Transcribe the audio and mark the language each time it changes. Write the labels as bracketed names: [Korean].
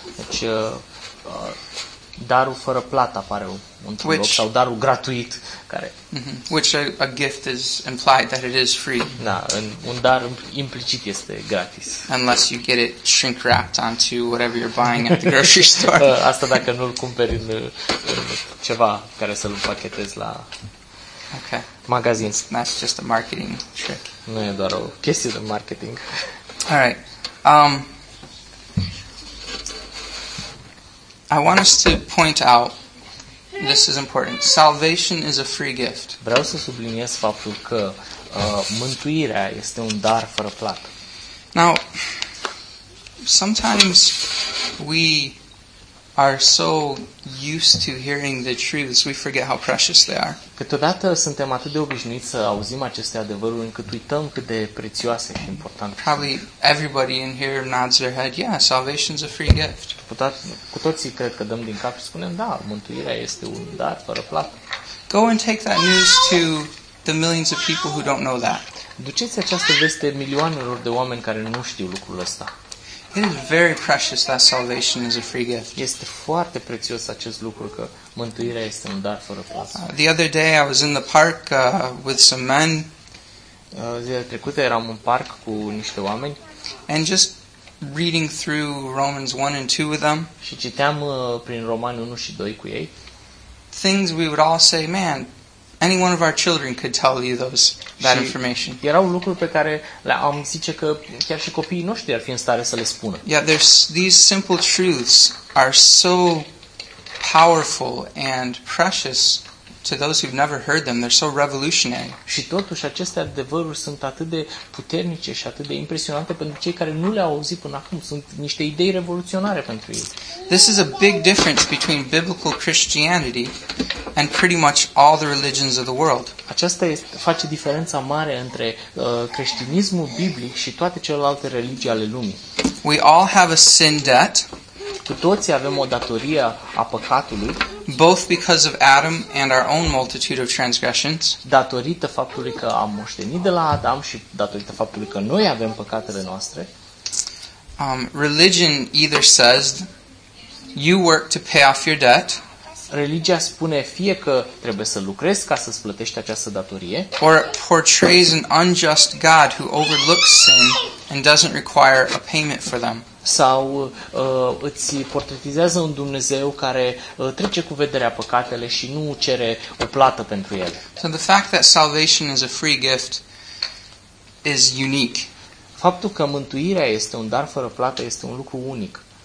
[Romanian] Deci, darul fără plată apare într-un loc, sau darul gratuit care. [English] Which a gift is implied that it is free. [Romanian] Da, un dar implicit este gratis. [English] Unless you get it shrink wrapped onto whatever you're buying at the grocery store. [Romanian] Asta dacă nu-l cumperi în ceva care să-l împachetezi la magazin. [English] That's just a marketing trick. [Romanian] Nu e doar o chestie de marketing. [English] All right. I want us to point out, this is important, salvation is a free gift. [Romanian] Vreau să subliniez faptul că mântuirea este un dar fără plată. [English] Now, sometimes we are so used to hearing the truths, we forget how precious they are. [Romanian] Câteodată suntem atât de obișnuiți să auzim aceste adevăruri încât uităm cât de prețioase și importante. [English] Probably everybody in here nods their head, yeah, salvation is a free gift. [Romanian] Cu toții cred că dăm din cap și spunem, da, mântuirea este un dar fără plată. [English] Go and take that news to the millions of people who don't know that. [Romanian] Duceți această veste milioanelor de oameni care nu știu lucrul ăsta. [English] It is very precious that salvation is a free gift. [Romanian] Este foarte prețios acest lucru că mântuirea este un dar fără plată. [English] The other day I was in the park with some men. [Romanian] Zilele trecute eram în parc cu niște oameni. [English] And just reading through Romans 1 and 2 with them. [Romanian] Și citeam prin Romani 1 și 2 cu ei. [English] Things we would all say, man, any one of our children could tell you those that information. [Romanian] Erau lucruri pe care le-am zice că chiar și copiii noștri ar fi în stare să le spună. [English] Yeah, these simple truths are so powerful and precious to those who've never heard them. They're so revolutionary. [Romanian] Și totuși aceste adevăruri sunt atât de puternice și atât de impresionante pentru cei care nu le-au auzit până acum. Sunt niște idei revoluționare pentru ei. [English] This is a big difference between biblical Christianity and pretty much all the religions of the world. [Romanian] Aceasta face diferența mare între creștinismul biblic și toate celelalte religii ale lumii. [English] We all have a sin debt. [Romanian] Cu toții avem o datorie a păcatului. [English] Both because of Adam and our own multitude of transgressions. [Romanian] Datorită faptului că am moștenit de la Adam și datorită faptului că noi avem păcatele noastre. [English] Religion either says you work to pay off your debt. [Romanian] Religia spune fie că trebuie să lucrezi ca să-ți plătești această datorie. [English] Or it portrays an unjust God who overlooks sin and doesn't require a payment for them. [Romanian] Sau îți portretizează un Dumnezeu care trece cu vederea păcatele și nu cere o plată pentru ele. [English] So the fact that salvation is a free gift is unique. [Romanian] Faptul că mântuirea este un dar fără plată este un lucru unic.